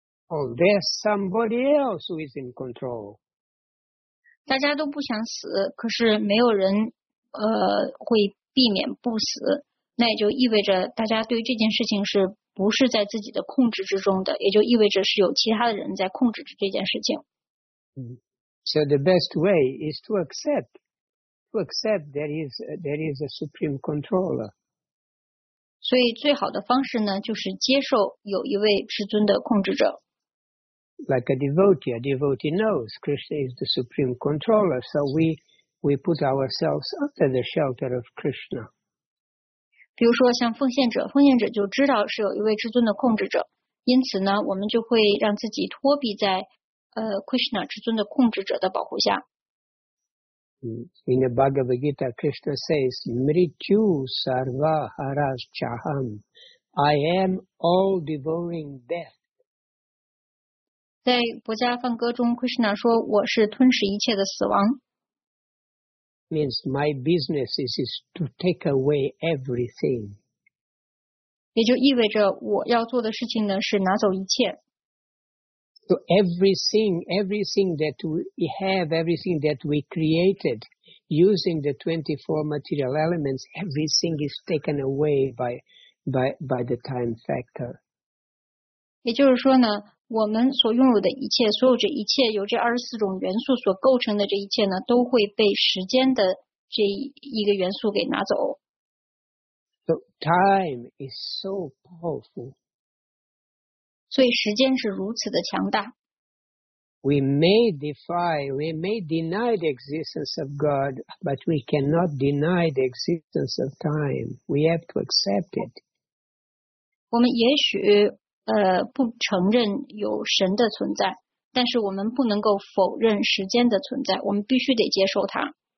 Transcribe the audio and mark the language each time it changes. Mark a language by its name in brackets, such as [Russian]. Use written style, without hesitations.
[English] Oh, there's somebody else who is in control. [Chinese] 大家都不想死，可是没有人会避免不死。那也就意味着大家对这件事情是不是在自己的控制之中的，也就意味着是有其他的人在控制着这件事情。 [English] So the best way is to accept there is a supreme controller. [Chinese] 所以最好的方式呢，就是接受有一位至尊的控制者。 [English] Like a devotee knows Krishna is the supreme controller, so we put ourselves under the shelter of Krishna. [Chinese] 比如说像奉献者就知道是有一位至尊的控制者，因此呢，我们就会让自己托庇在Krishna 至尊的控制者的保护下。 [English] In the Bhagavad Gita, Krishna says, [Sanskrit] Mrityu sarva haras chaham. [English] I am all devouring death. [Chinese] 在《薄伽梵歌》中 ，Krishna 说：“我是吞噬一切的死亡。” [English] Means my business is to take away everything. [Chinese] 也就意味着我要做的事情呢是拿走一切。 [English] So everything that we have, everything that we created, using the 24 material elements, everything is taken away by the time factor. [Chinese] 也就是说呢，我们所拥有的一切，所有这一切由这24种元素所构成的这一切呢，都会被时间的这一个元素给拿走。 [English] So time is so powerful. [Chinese] 所以时间是如此的强大。 [English] We may deny the existence of God, but we cannot deny the existence of time. We have to accept it. [Chinese] 我们也许不承认有神的存在，但是我们不能够否认时间的存在，我们必须得接受它。